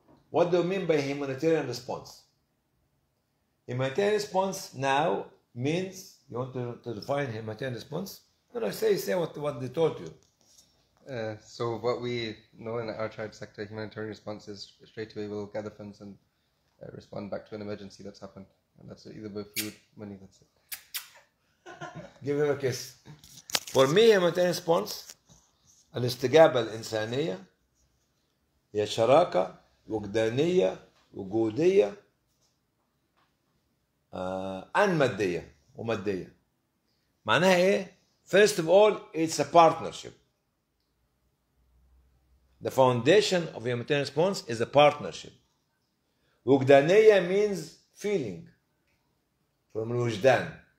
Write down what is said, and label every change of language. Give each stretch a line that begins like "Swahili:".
English: What do you mean by humanitarian response? Humanitarian response now means, you want to define humanitarian response? No, say what they taught you. So what we know in our tribe sector, humanitarian response is straight away we'll gather funds and respond back to an emergency that's happened. And that's either by food, money, that's it. Give him a kiss. For me, humanitarian response,
Arabic: الاستجابة الإنسانية هي شراكة وجدانية وجودية
English: and
Arabic: مادية ومادية. معناها إيه؟
English: First of all, it's a partnership. The foundation of humanitarian response is a partnership. وجدانية means feeling from الوجدان.